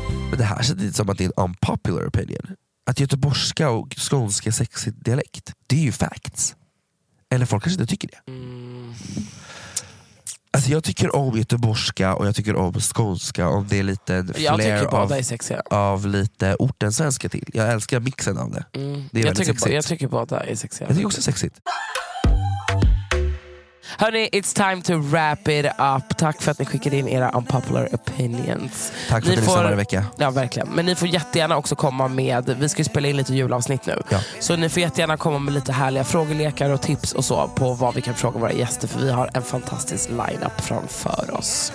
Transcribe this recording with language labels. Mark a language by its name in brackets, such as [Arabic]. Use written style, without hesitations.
[Swedish] Men det här känns lite som att det är en unpopular opinion. Att göteborgska och skånska sexig dialekt, det är ju facts. Eller folk kanske inte tycker det. Mm. Alltså jag tycker om göteborgska och jag tycker om skånska. Om det är lite flare av lite orten svenska till. Jag älskar mixen av det. Mm. Det är jag tycker båda är sexiga. Jag tycker också sexigt. Hörrni, [English] it's time to wrap it up. [Swedish] Tack för att ni skickade in era unpopular opinions. Tack för ni att ni får lyssnade varje vecka. Ja, verkligen. Men ni får jättegärna också komma med. Vi ska ju spela in lite julavsnitt nu. Ja. Så ni får jättegärna komma med lite härliga frågelekar och tips och så på vad vi kan fråga våra gäster. För vi har en fantastisk lineup framför oss.